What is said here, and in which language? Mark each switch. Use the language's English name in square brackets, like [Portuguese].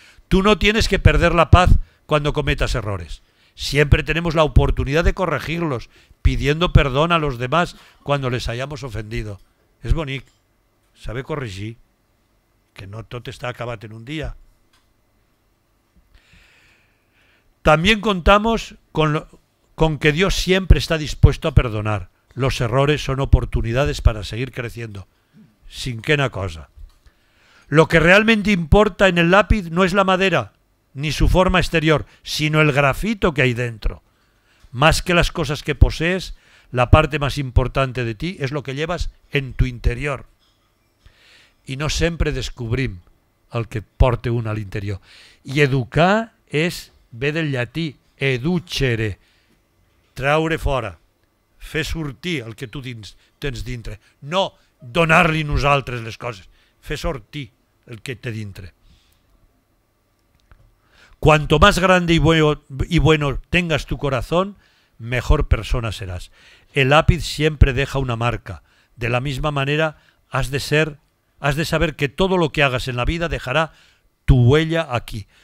[Spanish] Tú no tienes que perder la paz cuando cometas errores. Siempre tenemos la oportunidad de corregirlos, pidiendo perdón a los demás cuando les hayamos ofendido. [Catalan] Es bonic. [Spanish] Sabe corregir, [Catalan] que no tot està acabat en un dia. [Spanish] También contamos con que Dios siempre está dispuesto a perdonar. Los errores son oportunidades para seguir creciendo. Sin que una cosa. Lo que realmente importa en el lápiz no es la madera, ni su forma exterior, sino el grafito que hay dentro. Más que las cosas que posees, la parte más importante de ti es lo que llevas en tu interior. [Catalan] I no sempre descobrim el que porta un a l'interior. I educar és, ve del llatí, educere, traure fora, fer sortir el que tu tens dintre. No donar-li nosaltres les coses, fer sortir el que té dintre. [Spanish] Cuanto más grande y bueno tengas tu corazón, mejor persona serás. El lápiz siempre deja una marca. De la misma manera, has de saber que todo lo que hagas en la vida dejará tu huella aquí.